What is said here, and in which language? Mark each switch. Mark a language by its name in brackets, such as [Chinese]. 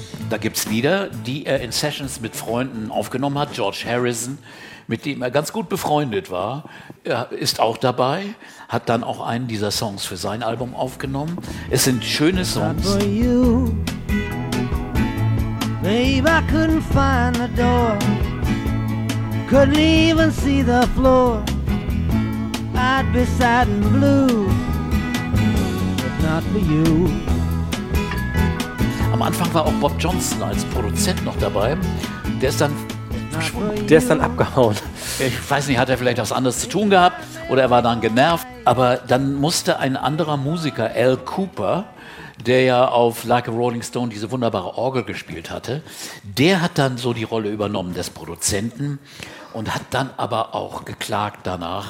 [German] Da gibt's Lieder, die er in Sessions mit Freunden aufgenommen hat. George Harrison, mit dem er ganz gut befreundet war, ist auch dabei, hat dann auch einen dieser Songs für sein Album aufgenommen. Es sind schöne Songs. [English] For you. Babe, I couldn't find the door. Couldn't even see the floor. I'd be sad and blue, but not for you. [German] Am Anfang war auch Bob Johnson als Produzent noch dabei. Der ist dann verschwunden. Der ist dann abgehauen. Ich weiß nicht, hat er vielleicht was anderes zu tun gehabt? oder er war dann genervt. Aber dann musste ein anderer Musiker, Al Cooper, der ja auf Like a Rolling Stone diese wunderbare Orgel gespielt hatte, der hat dann so die Rolle übernommen des Produzenten und hat dann aber auch geklagt danach.